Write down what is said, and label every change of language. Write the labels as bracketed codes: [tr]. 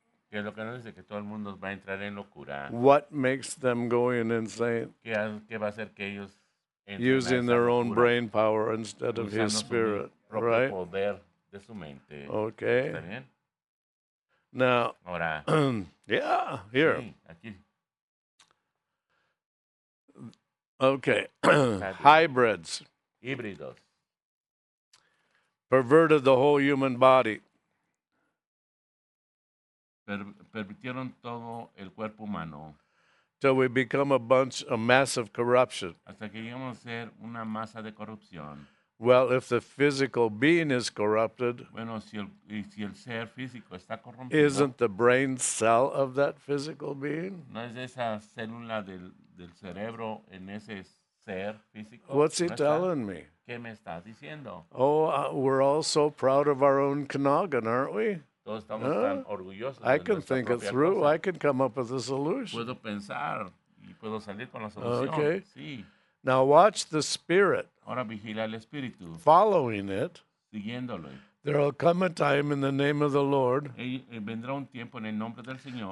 [es] Que lo que nos dice que todo el mundo va a entrar en locura. [en] What makes them going insane? [es] ¿Qué va a hacer que ellos entren [en] using their own brain power instead of his spirit, right? [es] Poder de su mente. [en] Okay. [es] ¿Está bien? [en] Now, [es] ahora, [en] yeah, here. [es] Sí, aquí. [en] Okay, hybrids. [es] Híbridos. [en] Perverted the whole human body. [es] Pervirtieron todo el cuerpo humano. [en] Till we become a mass of corruption. [es] Hasta que llegamos a ser una masa de corrupción. [en] Well, if the physical being is corrupted, [es] bueno, si el ser físico está corrompido, [en] isn't the brain cell of that physical being? [es] No es esa célula del cerebro en ese ser físico. [en] What's he [es] ¿no [en] telling me? [es] ¿Qué me está diciendo? [en] Oh, we're all so proud of our own canoggin, aren't we? [es] Todos estamos tan orgullosos. [en] I can think it through. [es] Cosa. [en] I can come up with a solution. [es] Puedo pensar y puedo salir con la solución. [en] Okay. [es] Sí. [en] Now watch the spirit. [es] Ahora vigila el espíritu. [en] Following it. [es] Siguiéndolo. [en] There will come a time in the name of the Lord. [es] Vendrá un tiempo en el nombre del Señor.